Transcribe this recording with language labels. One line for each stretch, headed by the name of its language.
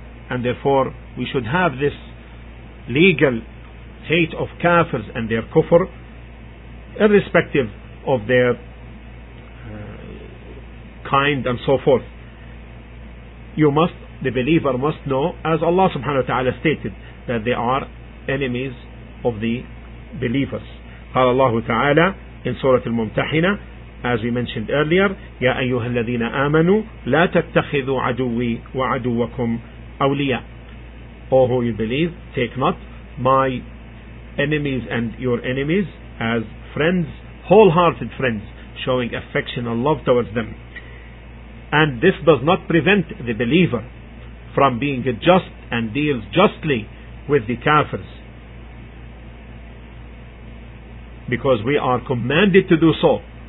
English: And therefore we should have this legal hate of kafirs and their kufr, irrespective of their kind and so forth. The believer must know, as Allah subhanahu wa ta'ala stated, that they are enemies of the believers.
Arabic: قال الله تعالى
English: in Surah Al-Mumtahin, as we mentioned earlier,
Arabic: يا أيها الذين آمنوا لا تتخذوا عدوي وعدوكم أولياء.
English: O who you believe, take not my enemies and your enemies as friends, wholehearted friends, showing affection and love towards them. And this does not prevent the believer from being just and deals justly with the kafirs, because we are commanded to do so.